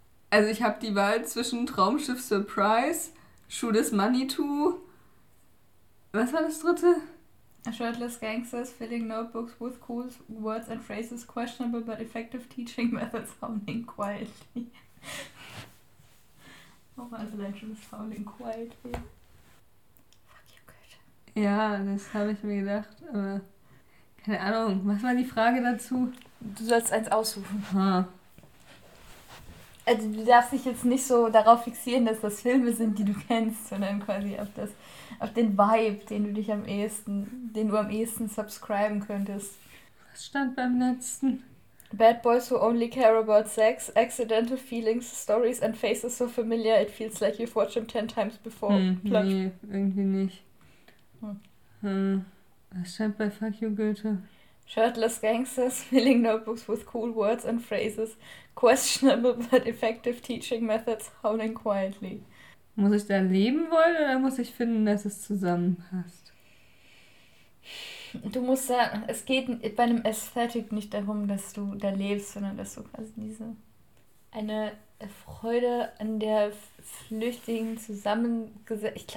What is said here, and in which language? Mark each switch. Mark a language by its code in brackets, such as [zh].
[de] Also ich habe die Wahl zwischen Traumschiff Surprise, Shoot is Money to. Was war das dritte? [en] Shirtless gangsters filling notebooks with cool words and phrases, questionable but effective teaching methods, howling quietly. [de] Oh, also dein schönes [en] howling quietly. [de] Ja, das habe ich mir gedacht, aber keine Ahnung. Was war die Frage dazu? Du sollst eins aussuchen. Ha. Also du darfst dich jetzt nicht so darauf fixieren, dass das Filme sind, die du kennst, sondern quasi auf das, auf den Vibe, den du dich am ehesten, den du am ehesten subscriben könntest. Was stand beim letzten? [en] Bad boys who only care about sex, accidental feelings, stories and faces so familiar, it feels like you've watched them 10 times before. [de] Hm, nee, irgendwie nicht. Was stand bei Fuck You Goethe? [en] Shirtless gangsters filling notebooks with cool words and phrases, questionable but effective teaching methods, howling quietly. [de] Muss ich da leben wollen oder muss ich finden, dass es zusammenpasst? Du musst da, es geht bei einem Aesthetic nicht darum, dass du da lebst, sondern dass du quasi diese eine Freude an der Flüchtigen zusammengesetzt.